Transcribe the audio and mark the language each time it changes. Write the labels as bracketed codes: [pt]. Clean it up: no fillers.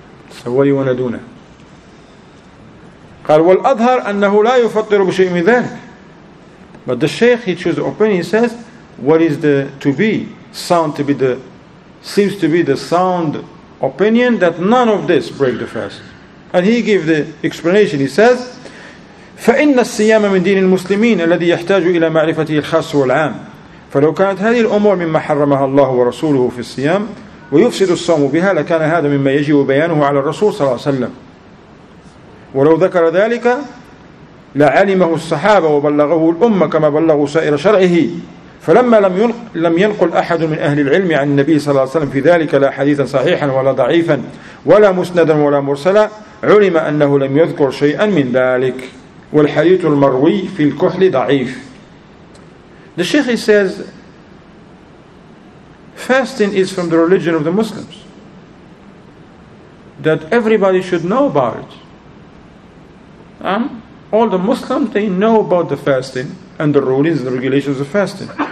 [en] So what do you want to do now? [ar] قَالْ وَالْأَظْهَرْ أَنَّهُ لَا يُفَطِّرُ بِشَيْءٍ مِنْ ذَلِكَ. [en] But the Shaykh, he chooses the opinion, he says, what is the to be, sound to be the, seems to be the sound opinion that none of this break the fast. And he gave the explanation, he says, [ar] فَإِنَّ السِّيَامَ مِنْ دِينِ الْمُسْلِمِينَ الَّذِي يَحْتَاجُ إِلَى مَعْرِفَتِهِ الْخَاسُ وَالْعَامِ فَلَوْ كَانَتْ هَذِهِ الْأُمُورِ مِمَّا حَرَّمَهَا اللَّهُ وَرَسُولُهُ فِي الصِّيَامِ ويفسد الصوم بها لكان هذا مما يجب بيانه على الرسول صلى الله عليه وسلم ولو ذكر ذلك لعلمه الصحابة وبلغه الأمة كما بلغوا سائر شرعه فلما لم ينقل أحد من أهل العلم عن النبي صلى الله عليه وسلم في ذلك لا حديثا صحيحا ولا ضعيفا ولا مسندا ولا مرسلا علم أنه لم يذكر شيئا من ذلك والحديث المروي في الكحل ضعيف. [en] The Sheikh says fasting is from the religion of the Muslims, that everybody should know about it. All the Muslims, they know about the fasting and the rulings and the regulations of fasting.